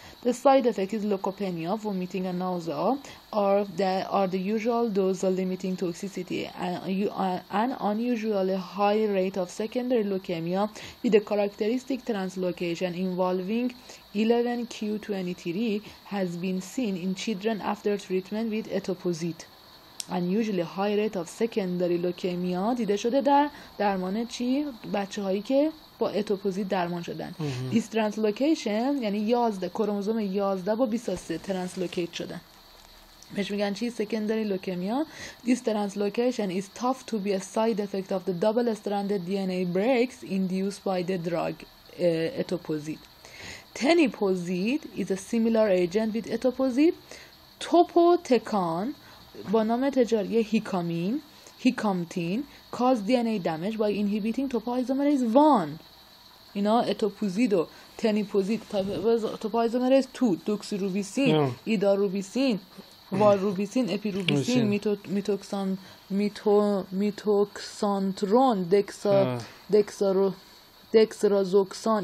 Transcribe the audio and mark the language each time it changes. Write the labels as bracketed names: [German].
[English] The side effect is leukopenia, vomiting and nausea are the usual dose limiting toxicity and an unusually high rate of secondary leukemia with a characteristic translocation involving 11q23 has been seen in children after treatment with etoposide. Unusually high rate of secondary leukemia [Persian] دیده شده در درمان چی؟ بچه هایی که با اتوپوزیت درمان شدن. [English] This translocation [Persian] یعنی 11 کروموزوم 11 با 23 translocate شدن. بهش میگن چی؟ secondary leukemia. [English] This translocation is thought to be a side effect of the double-stranded DNA breaks induced by the drug etoposide. Tenipozid is a similar agent with etoposide. Topotecan [Persian] با نام تجاری [English] Hycamtin Hycamtin cause D N A damage by inhibiting topoisomerase 1. [Persian] اینا اتوپوزید و تنیپوزید توپایزومریز 2 دوکسیروبیسین ایداروبیسین والروبیسین اپیروبیسین میتوکسان میتوکسانترون دکسرازوکسان.